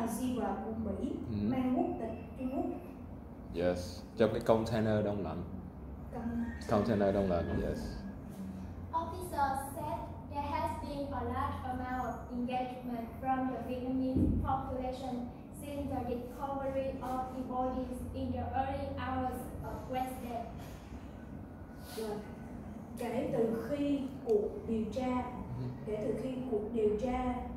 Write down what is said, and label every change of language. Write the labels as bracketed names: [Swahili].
[Vietnamese] Sierra của Mỹ mang quốc tịch Trung Quốc. [English] Yes, [Vietnamese] trong cái container đông lạnh. Container đông lạnh, [English] yes. Officer said there has been a large amount of engagement from the Vietnamese population since the recovery of the bodies in the early hours of Wednesday. [Vietnamese] Kể từ khi cuộc điều tra, kể từ khi cuộc điều tra